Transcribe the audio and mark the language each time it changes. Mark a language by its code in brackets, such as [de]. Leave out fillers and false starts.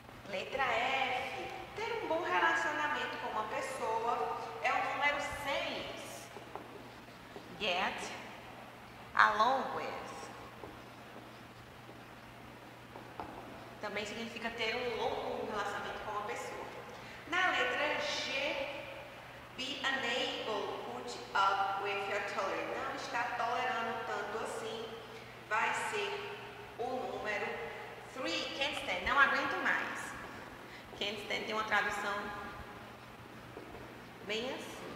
[pt] Letra F. Ter um bom relacionamento com uma pessoa é o número 6. [en] Get along with. [pt] Também significa ter um longo relacionamento com uma pessoa. Na letra G. [en] Be unable to put up with your tolerance. [pt] Não está tolerando tanto assim. Vai ser o número 3. [en] Can't stand. [pt] Não aguento mais. [en] Can't stand [pt] tem uma tradução bem assim.